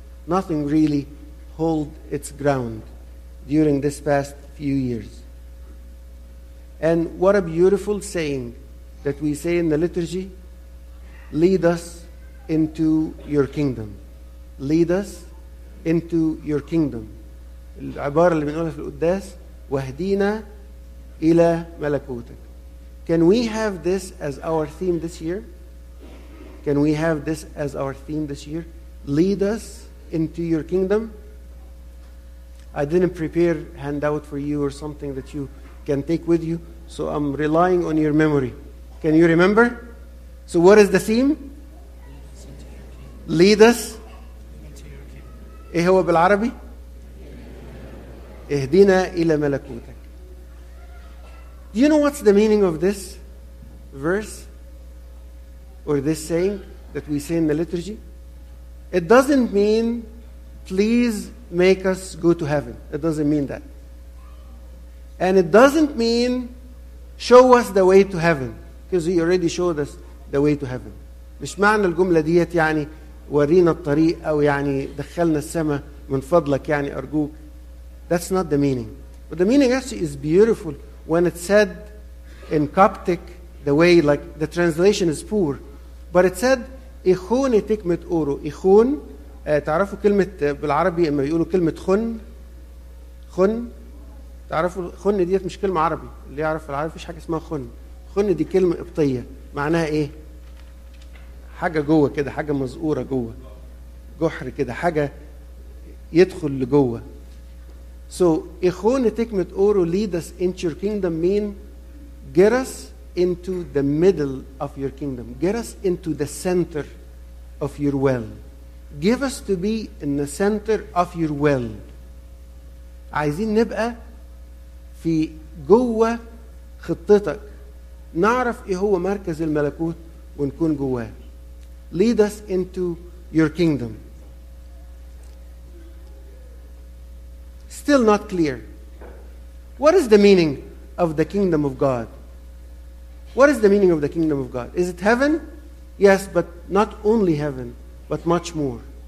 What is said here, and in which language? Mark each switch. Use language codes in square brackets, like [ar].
[en] Nothing really hold its ground during this past few years. And what a beautiful saying that we say in the liturgy, lead us into your kingdom. Lead us into your kingdom. [ar] العبارة اللي بنقولها في القداس, واهدينا إلى ملكوتك. [en] Can we have this as our theme this year? Can we have this as our theme this year? Lead us into your kingdom. I didn't prepare a handout for you or something that you can take with you, so I'm relying on your memory. Can you remember? So what is the theme? Lead us into your kingdom. [ar] إيه هو بالعربي؟ [en] Do you know what's the meaning of this verse or this saying that we say in the liturgy? It doesn't mean please make us go to heaven. It doesn't mean that. And it doesn't mean show us the way to heaven, because he already showed us the way to heaven. [ar] مش معنى الجملة دي يعني ورينا الطريق أو يعني دخلنا السماء من فضلك يعني أرجوك. [en] That's not the meaning. But the meaning actually is beautiful. When it said in Coptic, the way, like, the translation is poor. But it said, [cop] إخوني تكمة أورو. [ar] إخون, تعرفوا كلمة بالعربي إما يقولوا كلمة خن. خن. تعرفوا خن دي مش كلمة عربي. اللي يعرف العربي فيش حاجة اسمها خن. خن دي كلمة إبطية. معناها إيه؟ حاجة جوة كده, حاجة مزقورة جوة. جحر كده, حاجة يدخل لجوة. [en] So, [cop] إخوني تكمة أورو, [en] lead us into your kingdom, mean get us into the middle of your kingdom. Get us into the center of your will. Give us to be in the center of your will. [ar] عايزين نبقى في جوه خطتك. نعرف إيه هو مركز الملكوت ونكون جواه. [en] Lead us into your kingdom. Still not clear. What is the meaning of the kingdom of God? What is the meaning of the kingdom of God? Is it heaven? Yes, but not only heaven, but much more.